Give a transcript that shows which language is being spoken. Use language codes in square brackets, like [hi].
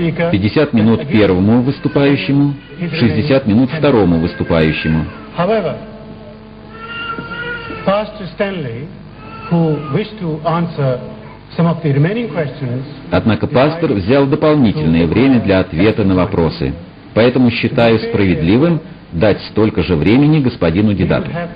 [ru] 50 минут первому выступающему, 60 минут второму выступающему. [en] However, Pastor Stanley, who wished to answer some of the remaining questions, [ru] однако пастор взял дополнительное время для ответа на вопросы. Поэтому считаю справедливым дать столько же времени господину Дидату.